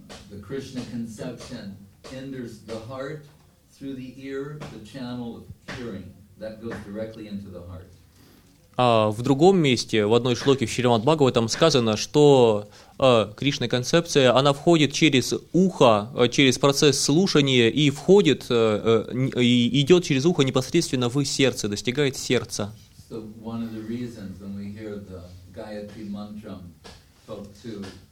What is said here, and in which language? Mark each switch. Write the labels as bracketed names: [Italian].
[English] The Krishna conception enters the heart through the ear, the channel of hearing that goes directly into the heart. [Russian] А в другом месте, в одной шлоке в Шримад Бхагаватам сказано, что Кришна концепция, она входит через ухо, через процесс слушания и входит и идет через ухо непосредственно в сердце, достигает сердца. [English] So one of the reasons when we hear the Gayatri Mantra spoke to.